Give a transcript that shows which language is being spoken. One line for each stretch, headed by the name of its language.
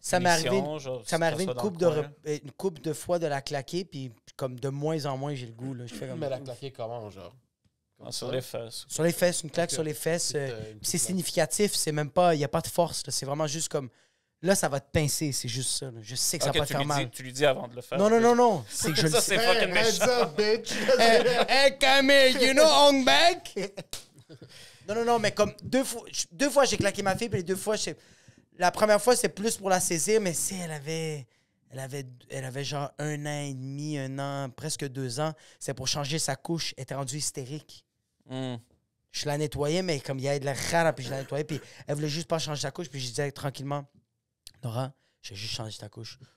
French: Ça m'est arrivé une couple de fois de la claquer, puis comme de moins en moins, j'ai le goût. Mais la claquer comment, genre? Sur les fesses. Sur les fesses, une claque sur les fesses. C'est significatif, c'est même pas, il n'y a pas de force. Là. C'est vraiment juste comme, là, ça va te pincer, c'est juste ça. Là. Je sais que ça va te faire mal. Tu lui dis avant de le faire. Non. C'est que je ça, le sais. Ça, c'est fucking méchant.
English: Heads up, bitch. Hey, Camille, you know Hong Bang?
French: Non, mais comme deux fois, j'ai claqué ma fille, puis les deux fois, la première fois, c'est plus pour la saisir, mais si elle avait genre un an et demi, un an, presque deux ans. C'est pour changer sa couche. Elle était rendue hystérique. Mm. Je la nettoyais, mais comme il y avait de la rara, puis je la nettoyais. Puis elle voulait juste pas changer sa couche. Puis je disais tranquillement, Nora, je vais juste changer ta couche.